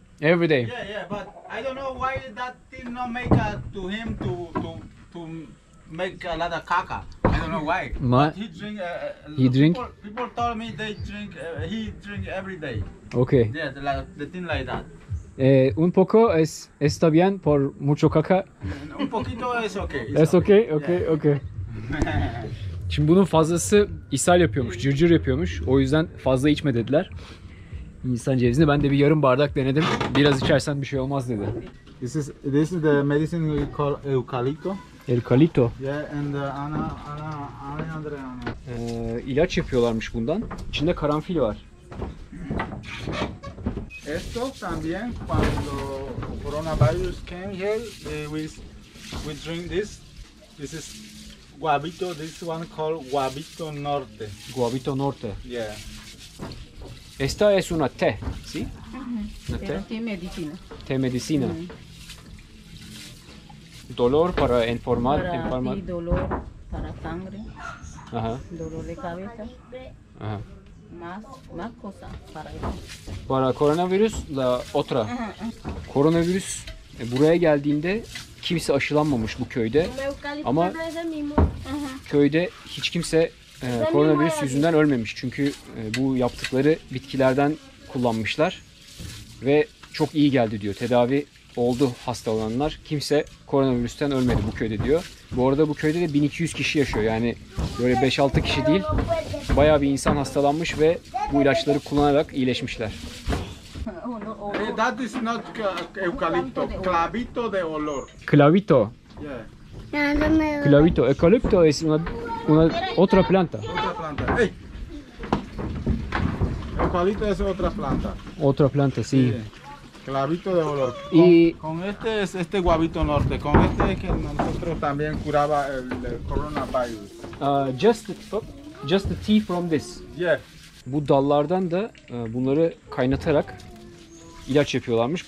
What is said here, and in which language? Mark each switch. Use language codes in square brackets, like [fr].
[en] Every day. Yeah, yeah, but I don't know why that thing not make to him to make a lot of kaka. I don't know why. But he drink. People told me they drink. He drink every day. Okay. Yeah, the thing like that. [es] Un poco es está bien por mucho caca. Un poquito es okay. [en] Es okay, okay, yeah. Okay. [tr] Şimdi bunun fazlası ishal yapıyormuş, cırcır yapıyormuş. O yüzden fazla içme dediler. Hindistan cevizini ben de bir yarım bardak denedim. Biraz içersen bir şey olmaz dedi. [en] This is the medicine we call eucalipto. [es] Eucalipto. [en] Yeah, and ana. [tr] İlaç yapıyorlarmış bundan. İçinde karanfil var. [es] Esto también cuando coronavirus [en] came here, we drink this. This is guabito. This one called guabito norte. Guabito norte. Yeah. [es] Esta es una té, ¿sí? Una té. Té medicina. Té medicina. Dolor para enfermar. Para enfermar. Dolor para sangre. Ajá. Dolor de cabeza. Ajá. Más cosa para eso. Para coronavirus la otra. [tr] Koronavirüs buraya geldiğinde kimse aşılanmamış bu köyde. Ama köyde hiç kimse koronavirüs yüzünden ölmemiş. Çünkü bu yaptıkları bitkilerden kullanmışlar. Ve çok iyi geldi diyor. Tedavi oldu hasta olanlar. Kimse koronavirüsten ölmedi bu köyde diyor. Bu arada bu köyde de 1200 kişi yaşıyor. Yani böyle 5-6 kişi değil. Bayağı bir insan hastalanmış ve bu ilaçları kullanarak iyileşmişler. [en] That is not [es] eucalipto. Clavito de olor. Clavito. [en] Yeah. [es] Clavito. Eucalipto es una otra planta. Otra planta. Hey. Eucalipto es otra planta. Otra planta, sí. Yeah. Clavito de olor. Y con este es este guabito norte. Con este es que nosotros también curaba el coronavirus. [en] Just the tea from this. Yeah. [tr] Bu dallardan da bunları kaynatarak ilaç yapıyorlarmış.